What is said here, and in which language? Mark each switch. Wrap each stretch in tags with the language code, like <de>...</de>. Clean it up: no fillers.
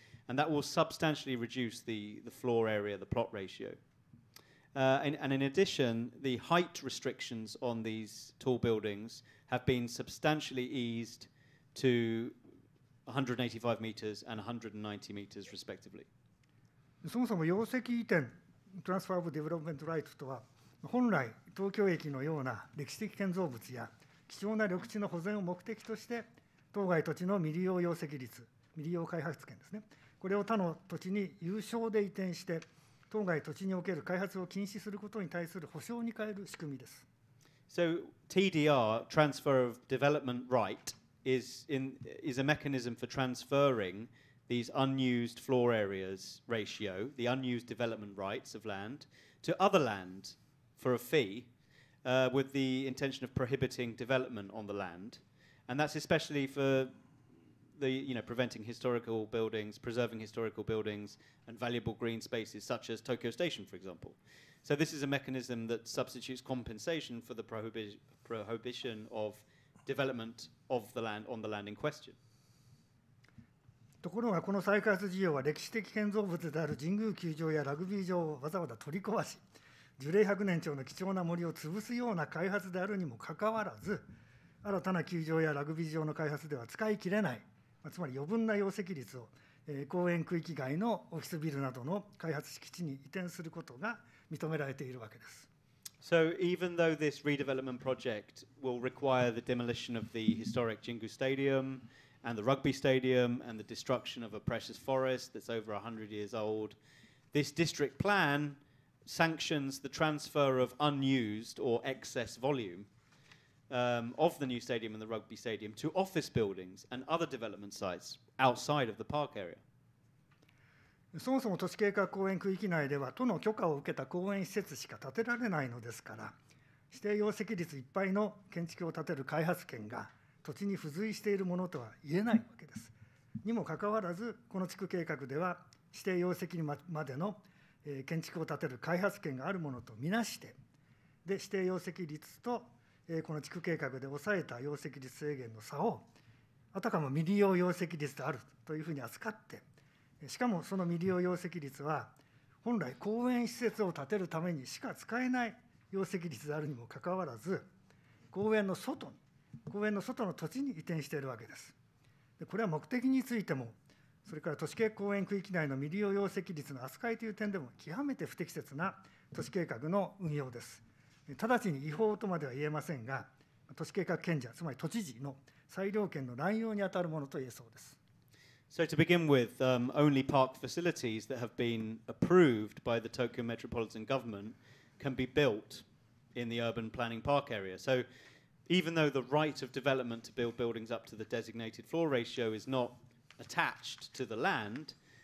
<en>And that will substantially reduce the floor area, the plot ratio. And in addition, the height restrictions on these tall buildings have been substantially eased to 185 meters and 190 meters, respectively.</en> <ja>そもそも容積移転、トランスファーブディベロップメントライトとは、本来、東京駅のような歴史的建造物や貴重な緑地の保全を目的として、当該土地の未利用容積率、未利用開発権ですね、これを他の土地に有償で移転して、当該土地における開発を禁止することに対する保証に変える仕組みです。</ja> <en>So TDR, Transfer of Development Right, is a mechanism for transferring. These unused floor areas ratio, the unused development rights of land, to other land for a fee, with the intention of prohibiting development on the land. And that's especially for the, you know, preventing historical buildings, preserving historical buildings and valuable green spaces, such as Tokyo Station, for example. So this is a mechanism that substitutes compensation for the prohibition of development of the land on the land in question.</en> <ja>ところがこの再開発事業は歴史的建造物である神宮球場やラグビー場をわざわざ取り壊し、樹齢100年超の貴重な森を潰すような開発であるにもかかわらず、新たな球場やラグビー場の開発では使い切れない、つまり余分な容積率を公園区域外のオフィスビルなどの開発敷地に移転することが認められているわけです。</ja> <en>So even though this redevelopment project will require the demolition of the historic Jingu Stadium,and the rugby stadium, and the destruction of a precious forest that's over 100 years old. This district plan sanctions the transfer of unused or excess volume of the new stadium and the rugby stadium to office buildings and other development sites outside of the park area.</en> <ja>そもそも都市計画公園区域内では、都の許可を受けた公園施設しか建てられないのですから、指定容積率いっぱいの建築を建てる開発権が、土地に付随しているものとは言えないわけです。にもかかわらず、この地区計画では指定容積までの建築を建てる開発権があるものとみなして、で指定容積率とこの地区計画で抑えた容積率制限の差をあたかも未利用容積率であるというふうに扱って、しかもその未利用容積率は本来公園施設を建てるためにしか使えない容積率であるにもかかわらず、公園の外に公園の外の土地に移転しているわけです。で、これは目的についても、それから都市計公園区域内の未利用容積率の扱いという点でも極めて不適切な都市計画の運用です。直ちに違法とまでは言えませんが、都市計画権者、つまり都知事の裁量権の乱用にあたるものと言えそうです。</ja> <en>So to begin with, only park facilities that have been approved by the Tokyo Metropolitan Government can be built in the urban planning park area. So even though the right of development to build buildings up to the designated floor ratio is not attached to the land,</en>